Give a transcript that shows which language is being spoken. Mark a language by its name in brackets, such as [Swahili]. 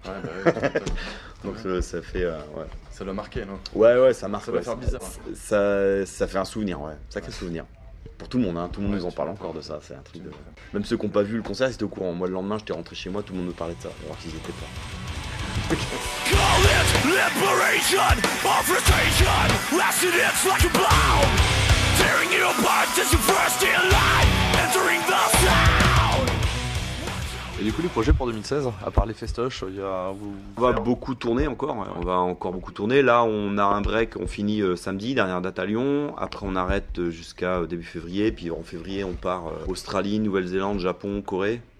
[French] Ouais, bah ouais, donc ça fait. Ça l'a marqué, non? Ouais, ça marque. Ça va faire bizarre. Ça fait un souvenir, ouais. Sacré souvenir. Pour tout le monde, hein. Tout le monde nous en parle encore de ça, c'est un truc de... Même ceux qui n'ont pas vu le concert, c'était au courant. Moi, le lendemain, j'étais rentré chez moi, tout le monde me parlait de ça, alors qu'ils étaient pas. [English] Call it liberation, orphanation, lasting it's like a bomb. Tearing you apart as you burst in line, entering the sound. [French] Et du coup, les projets pour 2016, à part les festoches, il y a... On va beaucoup tourner encore. On va encore beaucoup tourner. Là, on a un break. On finit samedi, dernière date à Lyon. Après, on arrête jusqu'à début février. Puis en février, on part Australie, Nouvelle-Zélande, Japon, Corée.